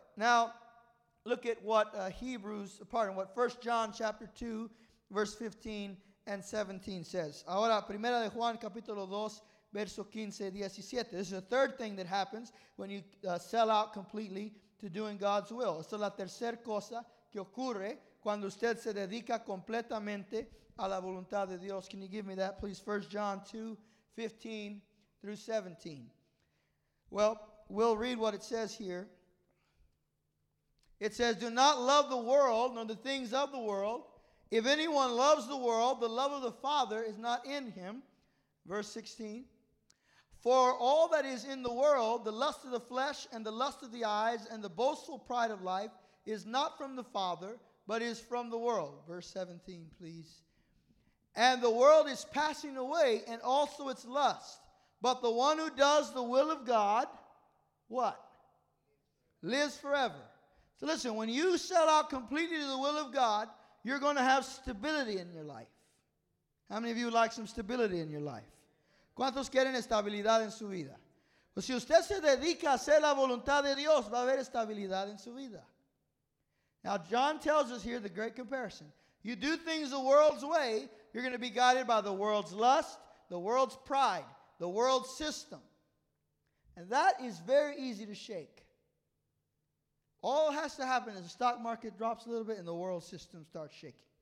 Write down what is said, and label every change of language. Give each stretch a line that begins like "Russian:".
English: Now, look at what 1 John chapter 2, verse 15 and 17 says.
Spanish: Ahora, Primera de Juan, capítulo 2, verso 15-17.
English: This is the third thing that happens when you sell out completely to doing God's will.
Spanish: Esto es la tercera cosa que ocurre cuando usted se dedica completamente a la voluntad de Dios.
English: Can you give me that, please? 1 John 2, 15 through 17. Well, we'll read what it says here. It says, do not love the world, nor the things of the world. If anyone loves the world, the love of the Father is not in him. Verse 16. For all that is in the world, the lust of the flesh and the lust of the eyes and the boastful pride of life is not from the Father, but is from the world. Verse 17, please. And the world is passing away and also its lust. But the one who does the will of God, what? Lives forever. So listen, when you sell out completely to the will of God, you're going to have stability in your life. How many of you like some stability in your life?
Spanish: ¿Cuántos quieren estabilidad en su vida? Pues si usted se dedica a hacer la voluntad de Dios, va a haber estabilidad en su vida.
English: Now, John tells us here the great comparison. You do things the world's way, you're going to be guided by the world's lust, the world's pride, the world's system. And that is very easy to shake. All has to happen is the stock market drops a little bit and the world system starts shaking.